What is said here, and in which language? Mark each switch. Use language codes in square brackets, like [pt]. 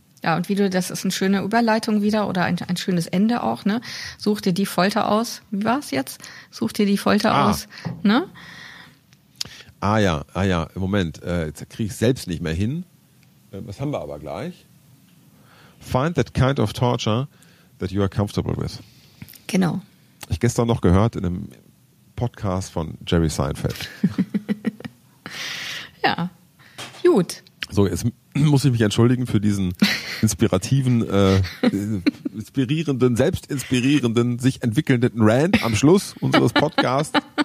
[de] Ja, und das ist eine schöne Überleitung wieder, oder ein schönes Ende auch, ne? Such dir die Folter aus. Wie war's jetzt? Such dir die Folter aus, ne? Ah ja. Im Moment, jetzt kriege ich selbst nicht mehr hin. Was haben wir aber gleich? [en] Find that kind of torture that you are comfortable with. [de] Genau. Ich gestern noch gehört in einem Podcast von Jerry Seinfeld. Ja, gut. So, jetzt muss ich mich entschuldigen für diesen selbstinspirierenden, sich entwickelnden Rant am Schluss unseres Podcasts.